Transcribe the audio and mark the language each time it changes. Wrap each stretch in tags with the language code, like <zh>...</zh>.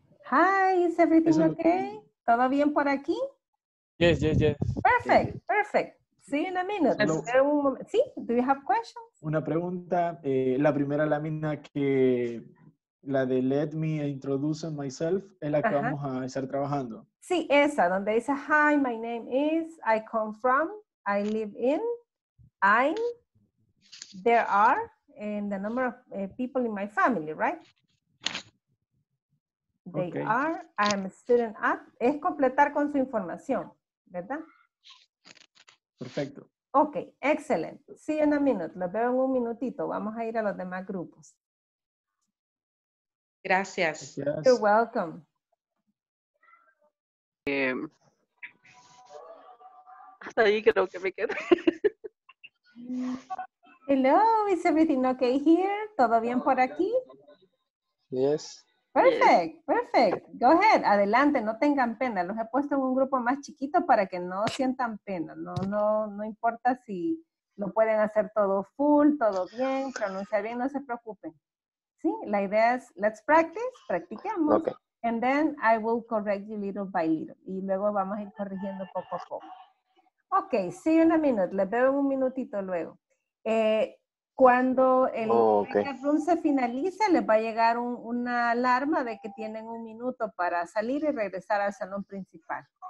<en>Hi, is everything okay?</en> <es>¿Todo bien por aquí?</es> <en>Yes, yes, yes. Perfect, yes. Perfect. See you in a minute. Sí, do you have questions?</en> <es>Una pregunta. La primera lámina que, la de</es> <en>let me introduce myself,</en> <es>es la que vamos a estar trabajando. Sí, esa, donde dice,</es> <en>hi, my name is, I come from, I live in, I'm, there are, and the number of people in my family, right? They are, I am a student at,</en> <es>es completar con su información, ¿verdad? Perfecto. Ok, excelente.</es> <en>See you in a minute.</en> <es>Los veo en un minutito. Vamos a ir a los demás grupos. Gracias.</es> <en>Yes. You're welcome.</en> <es>Hasta ahí creo que me quedé.</es> <en>Hello, is everything okay here?</en> <es>¿Todo bien por aquí?</es> <en>Yes. Perfect, perfect. Go ahead,</en> <es>adelante, no tengan pena. Los he puesto en un grupo más chiquito para que no sientan pena. No importa si lo pueden hacer todo full, todo bien, pronunciar bien, no se preocupen. Sí, la idea es,</es> <en>let's practice,</en> <es>practiquemos.</es> <en>Okay. And then I will correct you little by little.</en> <es>Y luego vamos a ir corrigiendo poco a poco.</es> <en>Ok, see you in a minute.</en> <es>Les veo en un minutito luego. Cuando el breakout room se finalice, les va a llegar una alarma de que tienen un minuto para salir y regresar al salón principal.</es>